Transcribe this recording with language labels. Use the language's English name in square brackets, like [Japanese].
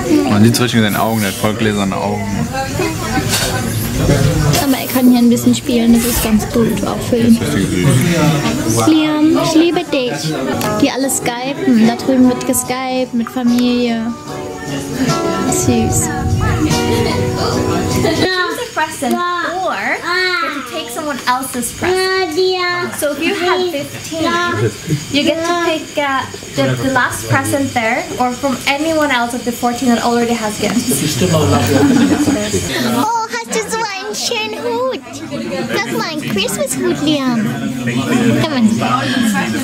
[German] Man sieht es richtig in seinen Augen, der hat voll gläserne Augen. Aber er kann hier ein bisschen spielen, das ist ganz gut, auch für ihn. Liam, ich liebe dich. Die alle skypen, da drüben wird geskypt mit Familie. Süß. [English] Present, or you get to take someone else's present. So if you have 15, you get to pick the last present there, or from anyone else of the 14 that already has gifts. [German] Oh, hast du so einen schönen Hut? Das ist mein Christmas-Hut, Liam. [English] Come on.